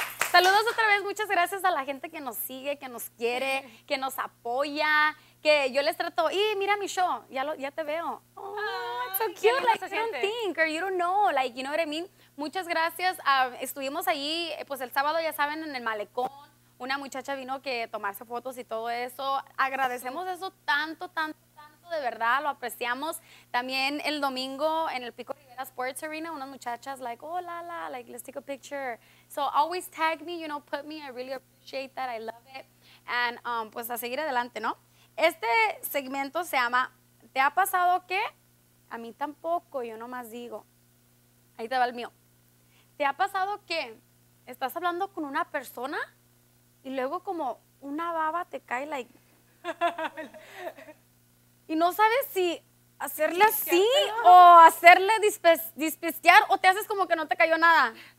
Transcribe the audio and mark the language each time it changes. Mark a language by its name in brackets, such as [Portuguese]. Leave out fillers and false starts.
[Spanish] Saludos otra vez, muchas gracias a la gente que nos sigue, que nos quiere, que nos apoya, que yo les trato, y mira mi show, ya te veo. [English] Oh, oh, it's so cute, like, I don't think, or you don't know, like, you know what I mean? [Spanish] Muchas gracias, estuvimos ahí, pues el sábado, ya saben, en el malecón, una muchacha vino que tomarse fotos y todo eso, agradecemos eso tanto, tanto, tanto, de verdad, lo apreciamos. También el domingo en el Pico Rivera Sports Arena, unas muchachas, like, oh, Lala, like, [English] let's take a picture. So always tag me, you know, put me, I really appreciate that, I love it. [Spanish] And pues a seguir adelante, ¿no? Este segmento se llama, ¿te ha pasado qué? A mí tampoco, yo nomás digo. Ahí te va el mío. ¿Te ha pasado qué? Estás hablando con una persona y luego como una baba te cae, like, y no sabes si hacerle así o hacerle dispistear o te haces como que no te cayó nada.